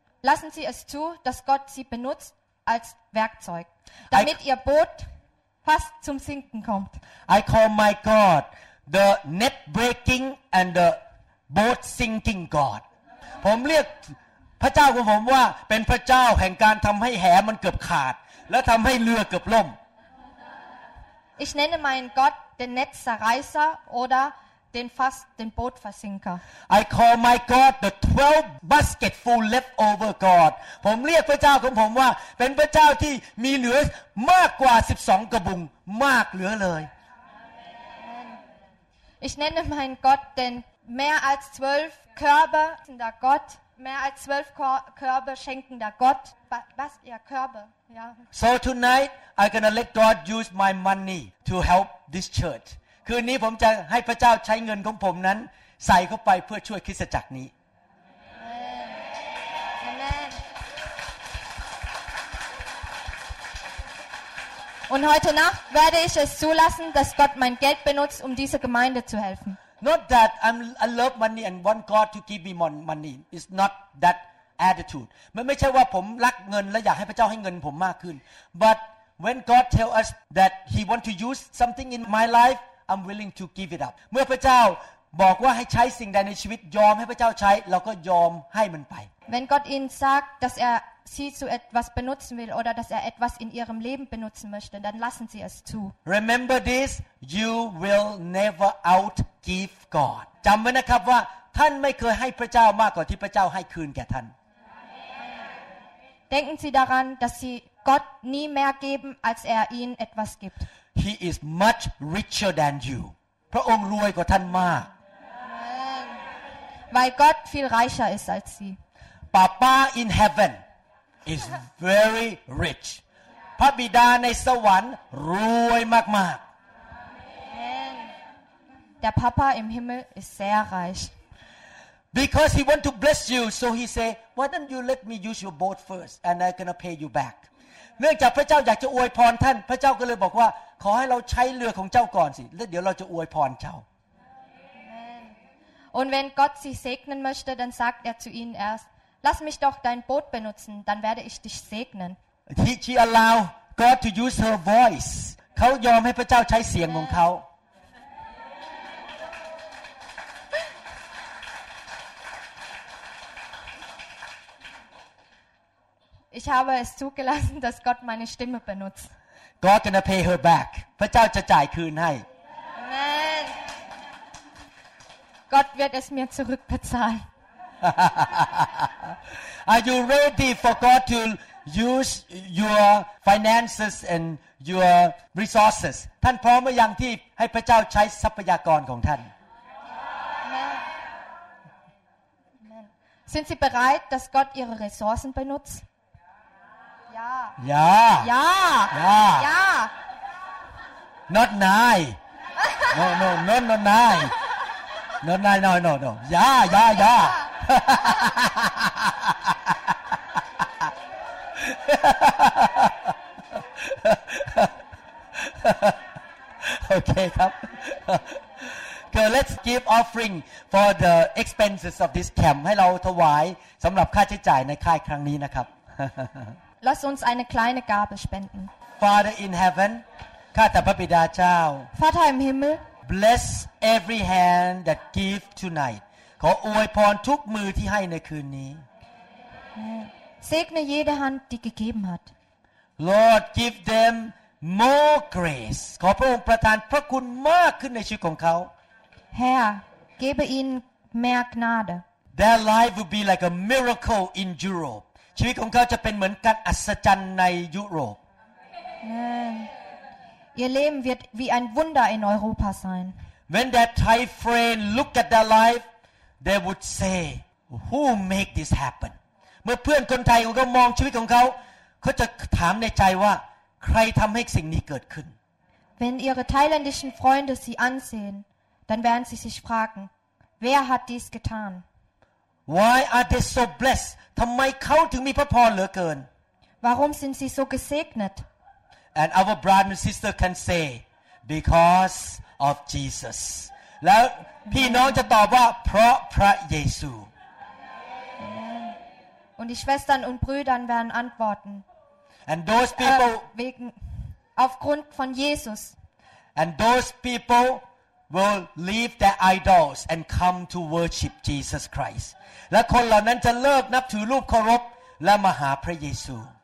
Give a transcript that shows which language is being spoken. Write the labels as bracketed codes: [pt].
[de] Lassen Sie es zu, dass Gott Sie benutzt als Werkzeug, damit Ihr Boot fast zum Sinken kommt. [en] I call my God the net breaking and the boat sinking God. [th] ผมเรียกพระเจ้าของผมว่าเป็นพระเจ้าแห่งการทำให้แหมันเกือบขาดและทำให้เรือเกือบล่ม [de] Ich nenne meinen Gott den Netzzerreißer oder den Bootversinker. [en] I call my God the 12 basket full leftover God. [th] ผมเรียกพระเจ้าของผมว่าเป็นพระเจ้าที่มีเหลือมากกว่า12กระบุงมากเหลือเลย [de] Ich nenne meinen Gott den mehr als 12 Körbe schenkender Gott. Mehr als 12 Körbe schenkender Gott. Was? Ja, Körbe. [en] So tonight, I'm going to let God use my money to help this church. [th] คืนนี้ผมจะให้พระเจ้าใช้เงินของผมนั้นใส่เข้าไปเพื่อช่วยคริสตจักรนี้ [en] Amen. [de] Und heute Nacht werde ich es zulassen, dass Gott mein Geld benutzt, um dieser Gemeinde zu helfen. [en] Not that I love money and want God to give me money. It's not that. Attitude. [th] ไม่ใช่ว่าผมรักเงินและอยากให้พระเจ้าให้เงินผมมากขึ้น [en] But when God tell us that He want to use something in my life, I'm willing to give it up. [th] เมื่อพระเจ้าบอกว่าให้ใช้สิ่งใดในชีวิตยอมให้พระเจ้าใช้เราก็ยอมให้มันไป [de] Wenn Gott Ihnen sagt, dass er Sie zu etwas benutzen will oder dass er etwas in Ihrem Leben benutzen möchte, dann lassen Sie es zu. [en] Remember this: You will never outgive God. [th] จำไว้นะครับว่าท่านไม่เคยให้พระเจ้ามากกว่าที่พระเจ้าให้คืนแก่ท่าน [de] Denken Sie daran, dass Sie Gott nie mehr geben, als er Ihnen etwas gibt. [en] He is much richer than you. [th] พระองค์รวยกว่าท่านมาก [de] Weil Gott viel reicher ist als Sie. [en] Papa in heaven is very rich. [th] พระบิดาในสวรรค์รวยมากๆ [en] Amen. [de] Der Papa im Himmel ist sehr reich. [en] Because he want to bless you, so he say, "Why don't you let me use your boat first, and I'm gonna pay you back." [th] เนื่องจากพระเจ้าอยากจะอวยพรท่านพระเจ้าก็เลยบอกว่าขอให้เราใช้เรือของเจ้าก่อนสิแล้วเดี๋ยวเราจะอวยพรเจ้า [de] Und wenn Gott Sie segnen möchte, dann sagt zu Ihnen erst, "Lass mich doch dein Boot benutzen, dann werde ich dich segnen." [en] He allow God to use her voice. [th] เขายอมให้พระเจ้าใช้เสียงของเขา [de] Ich habe es zugelassen, dass Gott meine Stimme benutzt. [en] God gonna pay her back. [th] พระเจ้าจะจ่ายคืนให้ [en] Amen. [de] Gott wird es mir zurückbezahlen. [en] Are you ready for God to use your finances and your resources? [th] ท่านพร้อมหรือยังที่ให้พระเจ้าใช้ทรัพยากรของท่าน [en] Amen. Amen. [de] Sind Sie bereit, dass Gott Ihre Ressourcen benutzt? Ja. Ja. Ja. Ja. [en] Not nine. No, no, no, no, nine. Not nine, no, no, no. [de] Ja, ja, ja. [en] Okay, ครับ. Okay, let's give offering for the expenses of this camp. [th] ให้เราถวายสำหรับค่าใช้จ่ายในค่ายครั้งนี้นะครับ. [de] Lass uns eine kleine Gabe spenden. [en] Father in heaven, [th] ข้าแต่พระบิดาเจ้า [de] Vater im Himmel, [en] bless every hand that give tonight. [th] ขออวยพรทุกมือที่ให้ในคืนนี้ [de] Segne jede Hand, die gegeben hat. [en] Lord, give them more grace. [th] ขอพระองค์ประทานพระคุณมากขึ้นในชีวิตของเขา [de] Herr, gebe ihnen mehr Gnade. [en] Their life will be like a miracle in Europe. [th] ชีวิตของเขาจะเป็นเหมือนการอัศจรรย์ในยุโรป [de] Ihr Leben wird wie ein Wunder in Europa sein. [en] When that Thai friend look at their life, they would say, "Who make this happen?" [th] เมื่อเพื่อนคนไทยของเขามองชีวิตของเขา ขาจะถามในใจว่าใครทำให้สิ่งนี้เกิดขึ้น [de] Wenn ihre thailändischen Freunde sie ansehen, dann werden sie sich fragen, wer hat dies getan? [en] Why are they so blessed? [th] ทำไมเขาถึงมีพระพรเหลือเกิน [de] Warum sind sie so gesegnet? [en] And our brother and sister can say, because of Jesus. [th] แล้วพี่น้องจะตอบว่าเพราะพระเยซู [de] Und die Schwestern und Brüder werden antworten. [en] And those people, [de] wegen, aufgrund von Jesus. [en] And those people will leave their idols and come to worship Jesus Christ. [th] และคนเหล่านั้นจะเลิกนับถือรูปเคารพและมาหาพระเยซู